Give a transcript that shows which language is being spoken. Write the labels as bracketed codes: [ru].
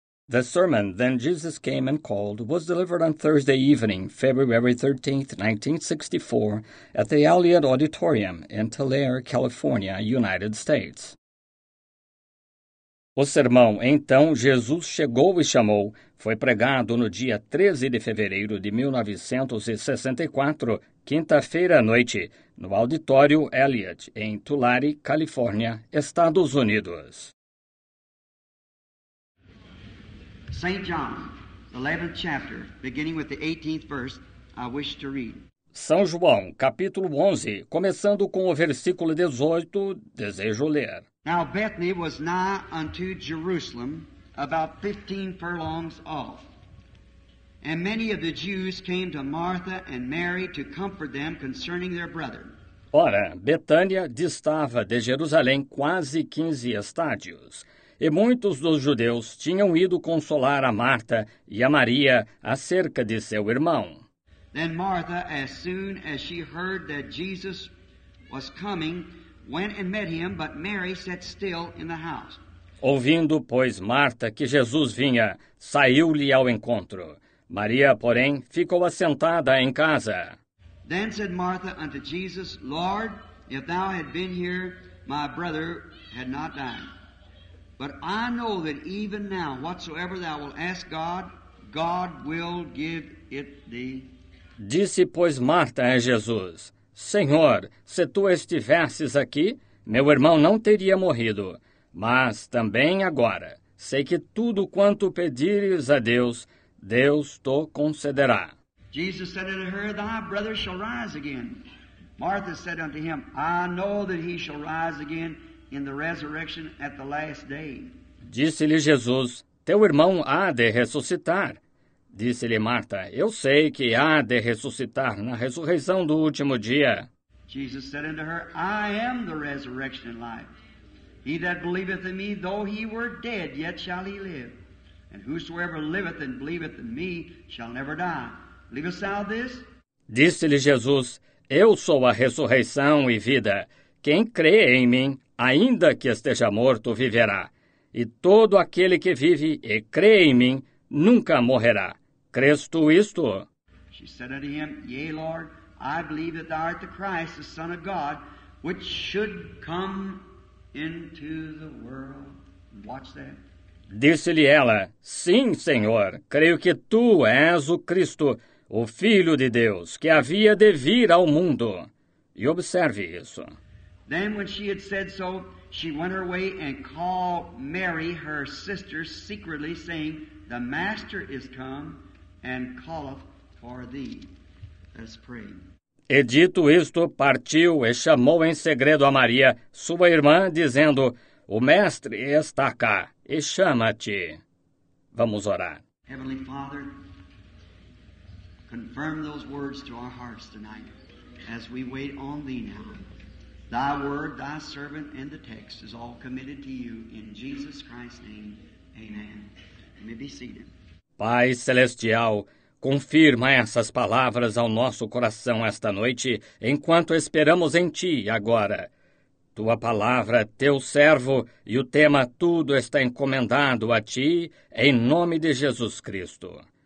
[en] The sermon, "Then Jesus Came and Called," was delivered on Thursday evening, February 13, 1964, at the Alliant Auditorium in Tulare, California, United States. [pt] O sermão "Então Jesus Chegou e Chamou" foi pregado no dia 13 de fevereiro de 1964, quinta-feira à noite, no Auditório Alliant, em Tulare, Califórnia, Estados Unidos. [en] St. John, 11th chapter, beginning with the 18th verse, I wish to read. [pt] São João, capítulo 11, começando com o versículo 18, desejo ler. [en] Now Bethany was nigh unto Jerusalem, about 15 furlongs off. And many of the Jews came to Martha and Mary to comfort them concerning their brother. [pt] Ora, Betânia distava de Jerusalém quase 15 estádios. E muitos dos judeus tinham ido consolar a Marta e a Maria acerca de seu irmão. [en] Then Martha, as soon as she heard that Jesus was coming, went and met him, but Mary sat still in the house. [pt] Ouvindo, pois, Marta que Jesus vinha, saiu-lhe ao encontro. Maria, porém, ficou assentada em casa. [en] Then said Martha unto Jesus, Lord, if thou had been here, my brother had not died. But I know that even now, whatsoever thou wilt ask God, God will give it thee. [pt] Disse, pois, Marta a Jesus, Senhor, se tu estivesses aqui, meu irmão não teria morrido. Mas também agora, sei que tudo quanto pedires a Deus, Deus te concederá. [en] Jesus said unto her, thy brother shall rise again. Martha said unto him, I know that he shall rise again in the resurrection at the last day. [pt] Disse-lhe Jesus, teu irmão há de ressuscitar. Disse-lhe Marta, eu sei que há de ressuscitar na ressurreição do último dia. [en] Jesus said unto her, I am the resurrection and life. He that believeth in me, though he were dead, yet shall he live. And whosoever liveth and believeth in me shall never die. Believest thou this? [pt] Disse-lhe Jesus, eu sou a ressurreição e vida. Quem crê em mim, ainda que esteja morto, viverá. E todo aquele que vive e crê em mim, nunca morrerá. Crês tu isto? [en] She said unto him, Yea, Lord, I believe that thou art the Christ, the Son of God, which should come into the world. Watch that. [pt] Disse-lhe ela, Sim, Senhor, creio que tu és o Cristo, o Filho de Deus, que havia de vir ao mundo. E observe isso. [en] Then when she had said so, she went her way and called Mary, her sister, secretly, saying, The Master is come and calleth for thee. Let's pray. [pt] E dito isto, partiu e chamou em segredo a Maria, sua irmã, dizendo, O Mestre está cá e chama-te. Vamos orar. [en] Heavenly Father, confirm those words to our hearts tonight as we wait on thee now. Thy word, thy servant, and the text is all committed to you in Jesus Christ's name. Amen. You may be seated. [pt] Pai Celestial, confirma essas palavras ao nosso coração esta noite, enquanto esperamos em ti agora. Tua palavra, teu servo, e o tema tudo está encomendado a ti, em nome de Jesus Cristo.